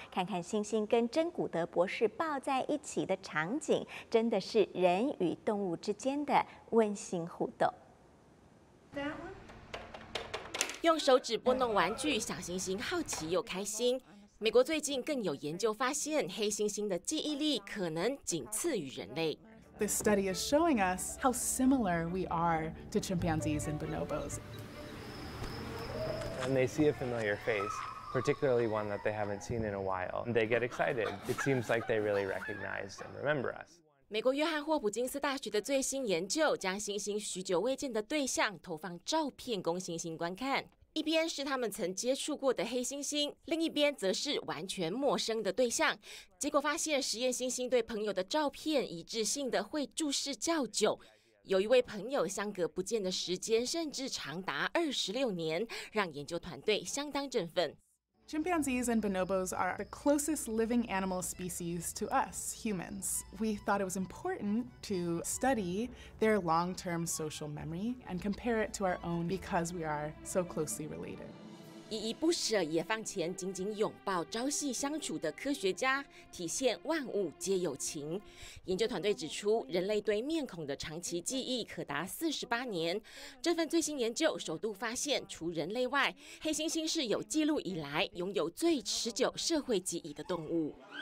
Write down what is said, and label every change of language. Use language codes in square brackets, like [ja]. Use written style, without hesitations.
[zh] 看看猩猩跟真古德博士抱在一起的场景，真的是人与动物之间的温馨互动。用手指拨弄玩具，小猩猩好奇又开心。美国最近更有研究发现，黑猩猩的记忆力可能仅次于人类。 [en] This study is showing us how similar we are to chimpanzees and bonobos. When they see a familiar face, particularly one that they haven't seen in a while, they get excited. It seems like they really recognize and remember us. [zh] 美国约翰霍普金斯大学的最新研究将猩猩许久未见的对象投放照片供猩猩观看，一边是他们曾接触过的黑猩猩，另一边则是完全陌生的对象。结果发现实验猩猩对朋友的照片一致性的会注视较久，有一位朋友相隔不见的时间甚至长达26年，让研究团队相当振奋。 [en] Chimpanzees and bonobos are the closest living animal species to us, humans. We thought it was important to study their long-term social memory and compare it to our own because we are so closely related. [zh] 依依不舍也放前紧紧拥抱朝夕相处的科学家，体现万物皆有情。研究团队指出，人类对面孔的长期记忆可达48年。这份最新研究首度发现，除人类外，黑猩猩是有记录以来拥有最持久社会记忆的动物。